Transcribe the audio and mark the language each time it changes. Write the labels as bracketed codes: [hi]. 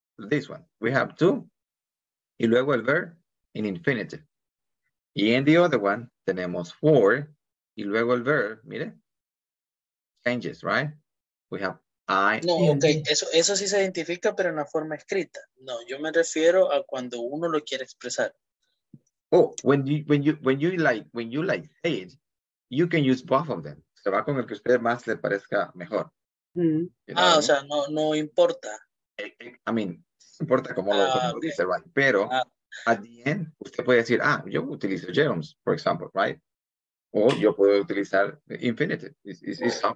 [en] This one. We have two. [es] Y luego el [en] verb in infinitive. [es] Y en [en] the other one, [es] tenemos [en] four. [es] Y luego el [en] verb, [es] mire. [en] Changes, right? We have I. [es] No, ok. Eso sí se identifica, pero en la forma escrita. No, yo me refiero a cuando uno lo quiere expresar. [en] Oh, when you say it, you can use both of them. [es] Se va con el que usted más le parezca mejor. Mm-hmm. Ah, o sea, no importa. [en] I mean, [es] importa cómo lo dice, right? Pero [en] at the end, [es] usted puede decir, ah, yo utilizo Jerome's, [en] for example, right? [es] O yo puedo utilizar infinitive. It's